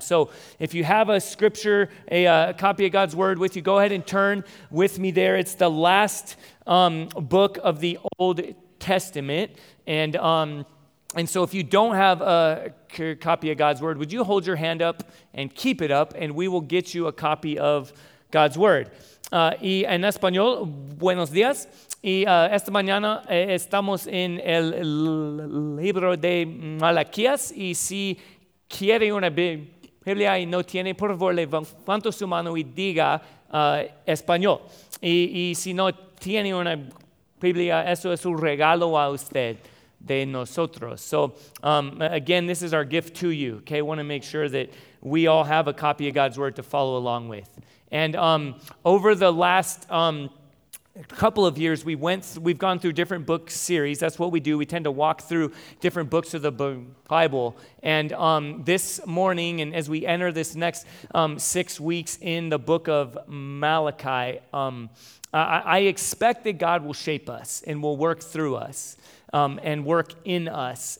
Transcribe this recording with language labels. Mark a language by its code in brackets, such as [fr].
[en] So if you have a scripture, a copy of God's word with you, go ahead and turn with me there. It's the last book of the Old Testament. And so if you don't have a copy of God's word, would you hold your hand up and keep it up, and we will get you a copy of God's word. [es] Y en español, buenos días. Y esta mañana estamos en el libro de Malaquías. Y si quiere una Biblia y no tiene, por favor, levante su mano y diga español. Y si no tiene una Biblia, eso es un regalo a usted de nosotros. [en] So, again, this is our gift to you. Okay, I want to make sure that we all have a copy of God's word to follow along with. And over the last couple of years, we've gone through different book series. That's what we do. We tend to walk through different books of the Bible. And this morning, and as we enter this next 6 weeks in the book of Malachi, I expect that God will shape us and will work through us and work in us.